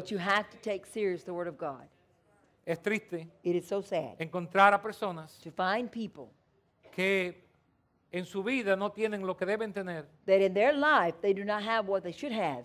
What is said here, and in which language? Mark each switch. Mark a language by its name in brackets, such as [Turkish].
[English] But you have to take serious the Word of God. [Spanish] Es triste. [English] It is so sad. [Spanish] Encontrar a personas [English] to find people [Spanish] que en su vida no tienen lo que deben tener. [English] That in their life they do not have what they should have.